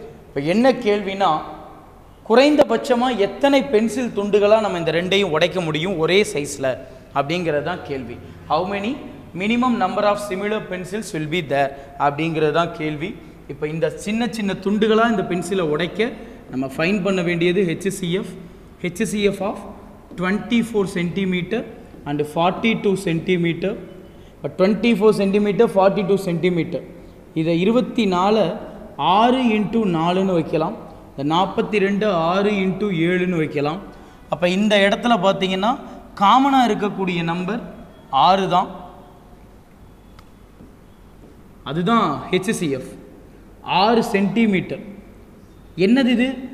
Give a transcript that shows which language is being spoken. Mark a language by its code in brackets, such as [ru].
[ta] இப்போ என்ன கேள்வினா, குறைந்தபட்சமாக எத்தனை பென்சில் துண்டுகளாக நம்ம இந்த ரெண்டையும் உடைக்க முடியும் ஒரே சைஸில் அப்படிங்கிறது தான் கேள்வி. [en] how many minimum number of similar pencils will be there [ta] அப்படிங்கிறது தான் கேள்வி. இப்போ இந்த சின்ன சின்ன துண்டுகளாக இந்த பென்சிலை உடைக்க நம்ம ஃபைன் பண்ண வேண்டியது HCF. HCF of 24 cm and 42 cm. இப்போ 24 cm, 42 cm, இதை 6×4 வைக்கலாம். இந்த 42 6×7 வைக்கலாம். அப்போ இந்த இடத்துல பார்த்தீங்கன்னா காமனாக இருக்கக்கூடிய நம்பர் 6 தான், அதுதான் HCF 6 cm. என்னது இது?